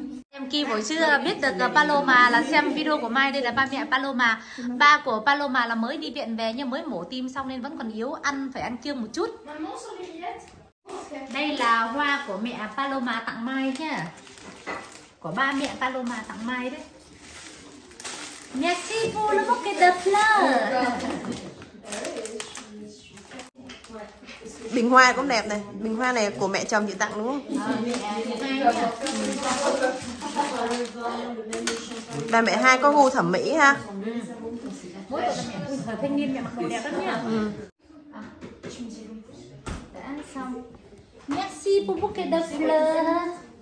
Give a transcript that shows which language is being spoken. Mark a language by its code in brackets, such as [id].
[vi] Em Kỳ buổi trưa biết được Paloma là xem video của Mai. Đây là ba mẹ Paloma. Ba của Paloma là mới đi viện về nhưng mới mổ tim xong nên vẫn còn yếu, ăn phải ăn kiêng một chút. Đây là hoa của mẹ Paloma tặng Mai nhá. Của ba mẹ Paloma tặng Mai đấy. [fr] Merci pour le bouquet de fleurs. [vi] Bình hoa cũng đẹp này. Bình hoa này của mẹ chồng chị tặng đúng không? Bà mẹ hai có gu thẩm mỹ ha. Mỗi tuần mẹ thanh niên mẹ mặc đồ đẹp lắm nha. Đã ăn xong. [fr] Merci pour bouquet de fleurs.